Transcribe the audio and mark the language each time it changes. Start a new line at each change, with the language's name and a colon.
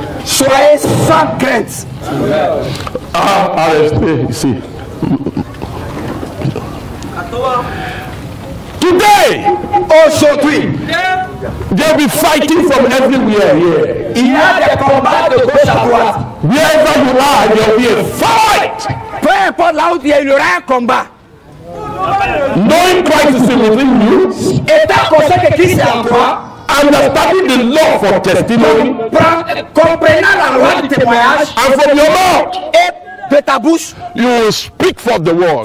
French: Soyez sans crainte. Amen. Ah, arrêtez ici. À toi.
English: Today,
French: aujourd'hui,
English: they'll be fighting from everywhere here.
French: Il y a des combats de gauche à droite.
English: Wherever you are, there will be a fight.
French: Peu importe là où tu es, il y aura un combat.
English: Knowing Christ is within you,
French: étant conscient que Christ est en toi,
English: understanding the law for testimony,
French: comprenant la loi du témoignage,
English: and from your mouth,
French: et de ta bouche,
English: you will speak for the word.